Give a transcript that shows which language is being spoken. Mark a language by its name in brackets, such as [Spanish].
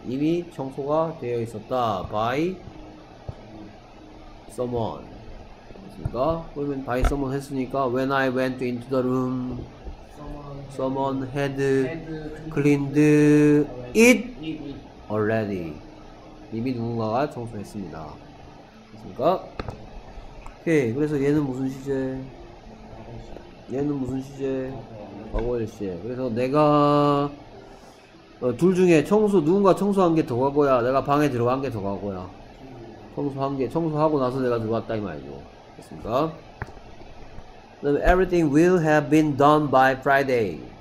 [Korean] 이미 청소가 되어 있었다. [English] By someone. [Korean] 됐습니까? 그러면 [English] by someone [Korean] 했으니까 [English] when I went into the room someone had cleaned it already. [Korean] 이미 누군가가 청소했습니다. 됐습니까? 오케이. 그래서 얘는 무슨 시제? 과거일시제. 그래서 내가 둘 중에 누군가 청소한 게 더 과거야, 내가 방에 들어간 게 더 과거야? 청소하고 나서 내가 들어왔다 이 말이죠. 됐습니까? 그 다음에 [English] everything will have been done by Friday.